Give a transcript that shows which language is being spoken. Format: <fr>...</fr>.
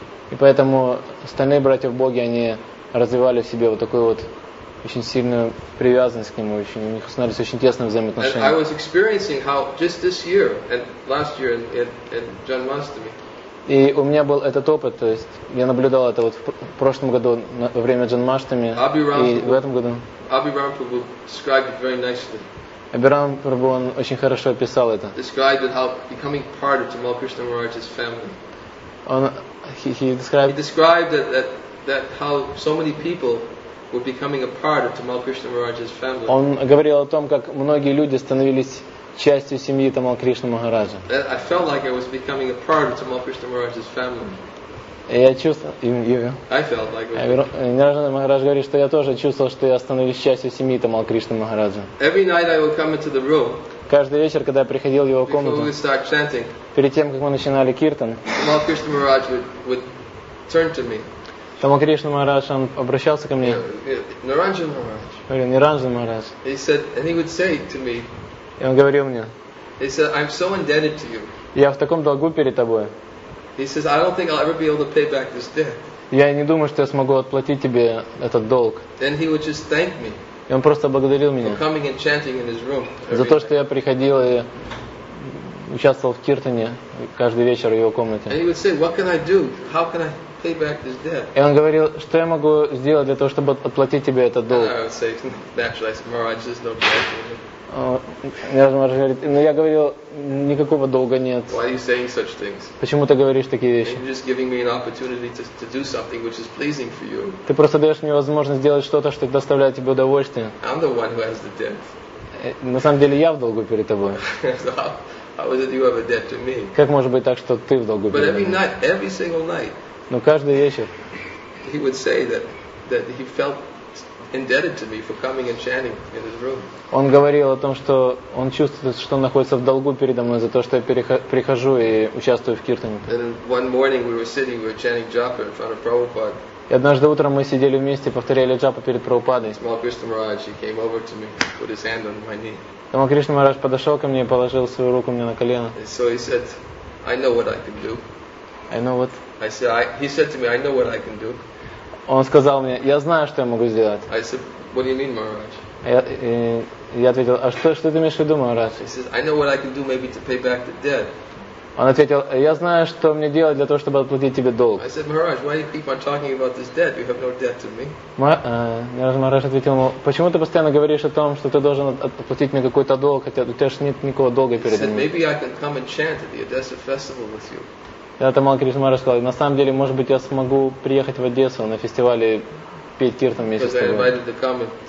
<ru>И поэтому остальные братья в Боге, они развивали в себе вот такую вот очень сильную привязанность к нему, у них становились очень тесные взаимоотношения. И у меня был этот опыт, то есть я наблюдал это вот в прошлом году во время Джанмаштами и в этом году.</ru> <en>Абхирам Прабху described it very nicely.</en> <ru>Абхирам Прабху он очень хорошо описал это.</ru> <en>Described it how becoming part of Tamal Krishna Maharaj's family. He described that how so many people were becoming a part of Tamal Krishna Maharaj's family.</en> <ru>Он говорил о том, как многие люди становились частью семьи Тамалкришны Махараджа.</ru> <en>I felt like I was becoming a part of Тамалкришна Махараджа's family.</en> <ru>Я чувствовал, Нараджана Махарадж говорит, что я тоже чувствовал, что я становлюсь частью семьи Тамалкришны Махараджа.</ru> <en>Every night I would come into the room.</en> <ru>Каждый вечер, когда я приходил в его комнату,</ru> <en>before we start chanting,</en> <ru>перед тем, как мы начинали киртан,</ru> <en>Тамалкришна Махарадж would turn to me.</en> <ru>Тамалкришна Махарадж, он обращался ко мне. Нараджана Махарадж.</ru> <en>He said, and he would say to me.</en> <ru>И он говорил мне.</ru> <en>He said, I'm so indebted to you.</en> <ru>Я в таком долгу перед тобой.</ru> <en>He says, I don't think I'll ever be able to pay back this debt.</en> <ru>Я не думаю, что я смогу отплатить тебе этот долг.</ru> <en>Then he would just thank me.</en> <ru>И он просто благодарил меня.</ru> <en>For coming and chanting in his room.</en> <ru>За то, что я приходил и участвовал в киртане каждый вечер в его комнате.</ru> <en>And he would say, what can I do? How can I pay back this debt?</en> <ru>И он говорил, что я могу сделать для того, чтобы отплатить тебе этот долг.</ru> <en>And I would say, naturally, I said, Maharaj, there's no problem.</en> <ru>Но я говорил, никакого долга нет.</ru> <en>Why are you saying such things?</en> <ru>Почему ты говоришь такие вещи?</ru> <en>You're just giving me an opportunity to do something which is pleasing for you.</en> <ru>Ты просто даешь мне возможность сделать что-то, что доставляет тебе удовольствие.</ru> <en>I'm the one who has the debt.</en> <ru>На самом деле я в долгу перед тобой.</ru> <en>How is it you have a debt to me?</en> <ru>Как может быть так, что ты в долгу перед мной?</ru> <en>But every night, every single night.</en> <ru>Но каждый вечер.</ru> <en>He would say that he felt indebted to me for coming and chanting in his room.</en> <ru>Он говорил о том, что он чувствует, что находится в долгу передо мной за то, что я прихожу и участвую в киртане.</ru> <en>And one morning we were sitting, we were chanting japa in front of Prabhupada.</en> <ru>И однажды утром мы сидели вместе, повторяли джапу перед Прабхупадой.</ru> <en>Тамалкришна Махарадж came over to me, put his hand on my knee.</en> <ru>Тамалкришна Махарадж подошел ко мне и положил свою руку мне на колено.</ru> <en>So he said, I know what I can do. I know what? I said, he said to me, I know what I can do.</en> <ru>Он сказал мне, я знаю, что я могу сделать.</ru> <en>I said, what do you mean, Maharaj?</en> <ru>Я ответил, а что ты имеешь в виду, Maharaj?</ru> <en>He says, I know what I can do maybe to pay back the debt.</en> <ru>Он ответил, я знаю, что мне делать для того, чтобы отплатить тебе долг.</ru> <en>I said, Maharaj, why do you keep on talking about this debt? You have no debt to me.</en> <ru>Maharaj ответил ему, почему ты постоянно говоришь о том, что ты должен отплатить мне какой-то долг, хотя у тебя же нет никакого долга перед мной.</ru> <en>He said, maybe I can come and chant at the Odessa festival with you.</en> <ru>Я Тамалкришна Махарадж сказал, на самом деле, может быть, я смогу приехать в Одессу на фестивале петь киртан вместе с тобой.</ru>